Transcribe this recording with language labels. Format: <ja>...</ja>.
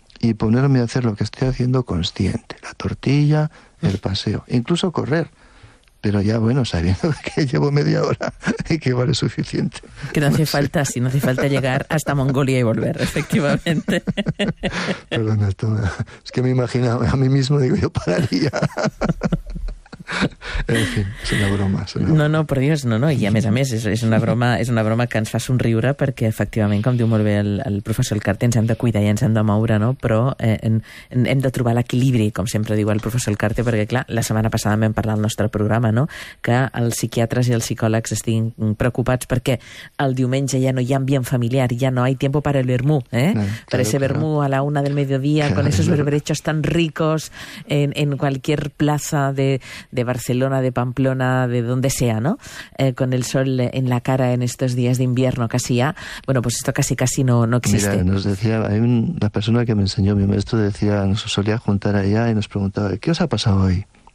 <es>y ponerme a hacer lo que estoy haciendo consciente, la tortilla, el paseo, incluso correr. Pero ya, bueno, sabiendo que llevo media hora y que igual es suficiente. Que no hace falta, si no hace falta llegar hasta Mongolia y volver, efectivamente. Perdona, es que me imaginaba a mí mismo, digo, yo pararía.</es> <ca>En fin, és una broma. No, per dir-ho, no, i a més, és una broma que ens fa somriure perquè, efectivament, com diu molt bé el professor Elkarte, ens hem de cuidar i ens hem de moure, no? Però hem de trobar l'equilibri, com sempre diu el professor Elkarte, perquè, clar, la setmana passada vam parlar al nostre programa, no?, que els psiquiatres i els psicòlegs estiguin preocupats perquè el diumenge ja no hi ha ambient familiar, ja</ca> <es>no hay tiempo para el vermú, ¿eh? Para ese vermú a la una del mediodía, con esos berberechos tan ricos en cualquier plaza de Barcelona, de Pamplona, de donde sea, ¿no? Con el sol en la cara en estos días de invierno casi ya. Bueno, pues esto casi no existe. Mira, nos decía, la persona que me enseñó, mi maestro, decía, nos solía juntar allá y nos preguntaba, ¿qué os ha pasado hoy?</es>